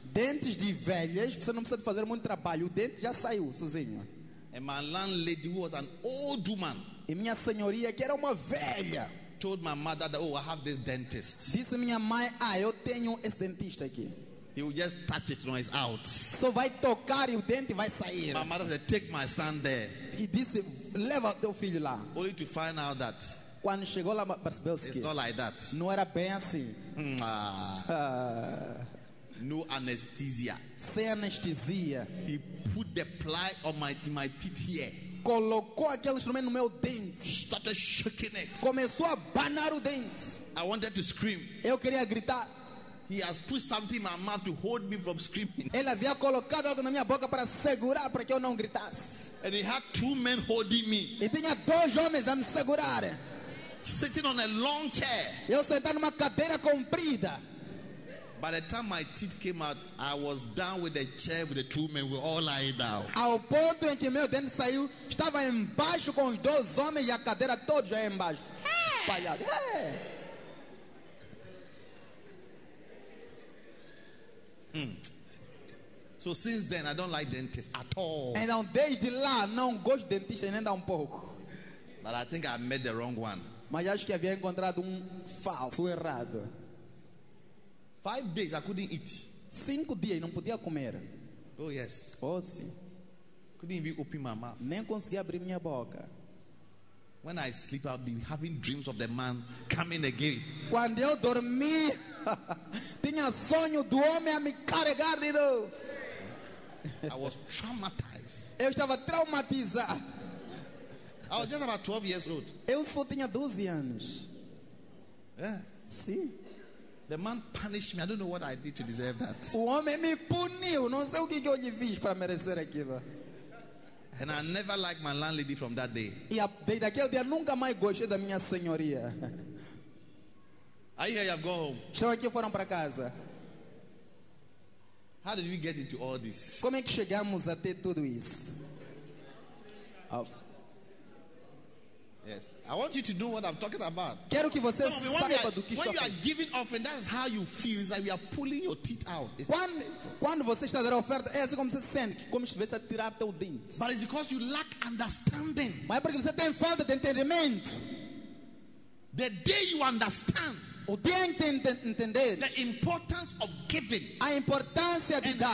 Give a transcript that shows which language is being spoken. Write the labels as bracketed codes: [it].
[pt] Dentes de velhas, você não precisa de fazer muito trabalho. O dente já saiu sozinho. [en] And my landlady, who was an old woman, [pt] e minha senhoria, que era uma velha, [en] told my mother that, oh, I have this dentist. [pt] Disse minha mãe, eu tenho esse dentista aqui. [en] He will just touch it, and it's out. [pt] Só vai tocar e o dente vai sair. [en] My mother said, take my son there. [pt] E disse, leva teu filho lá. [en] Only to find out that. [pt] Quando chegou lá, percebeu-se [en] it's [pt] que [en] not like that. [pt] Não era bem assim. [en] No anesthesia. [pt] Sem anestesia. [en] He put the ply in my teeth here. [pt] Colocou aquele instrumento no meu dente. [en] Started shaking it. [pt] Começou a banar o dente. [en] I wanted to scream. [pt] Eu queria gritar. [en] He has put something in my mouth to hold me from screaming. [pt] Ele havia colocado algo na minha boca para segurar para que eu não gritasse. [en] And he had two men holding me. [pt] E tinha dois homens a me segurar. [en] Sitting on a long chair. [pt] Eu sentado numa cadeira comprida. [en] By the time my teeth came out, I was down with the chair with the two men. We all lying down. [pt] Ao ponto em que meu dente saiu, estava embaixo com os dois homens e a cadeira toda já embaixo. Hey! [en] fired. Hey. So since then, I don't like dentists at all. And on [pt] desde lá não gosto de dentista nem um pouco. [en] But I think I met the wrong one. [pt] Mas acho que havia encontrado falso, errado. [en] 5 days I couldn't eat. [pt] 5 dias não podia comer. [en] Oh yes. [pt] Oh sim. [en] Couldn't even open my mouth. [pt] Nem consegui abrir minha boca. [en] When I sleep, I'll be having dreams of the man coming again. [pt] Quando eu dormi, tinha sonho do homem a me carregar de novo. [en] I was traumatized. [pt] Eu estava traumatizado. [en] I was just about 12 years old. [pt] Eu só tinha 12 anos. [en] Yeah. [pt] Sim. [en] The man punished me. I don't know what I did to deserve that. [pt] O homem me puniu. Não sei o que eu lhe fiz para merecer aquilo. [en] And I never liked my landlady from that day. [pt] E desde aquele dia nunca mais gostei da minha senhoria. [en] Are you here? You have gone home. [pt] Estão aqui, foram para casa. [en] How did we get into all this? [pt] Como é que chegamos a ter tudo isso? [en] Yes. I want you to know what I'm talking about. [pt] Quero que vocês saibam do que estou. [en] When you are giving offering, that's how you feel. It's like you are pulling your teeth out. [pt] Quando você está dando oferta, é assim como você sente, como se estivesse a tirar teu dente. [en] But it's because you lack understanding. [pt] Mas é porque você tem falta de entendimento. [en] The day you understand, [pt] o dia entender, [en] the importance of giving, [pt] a importância de dar,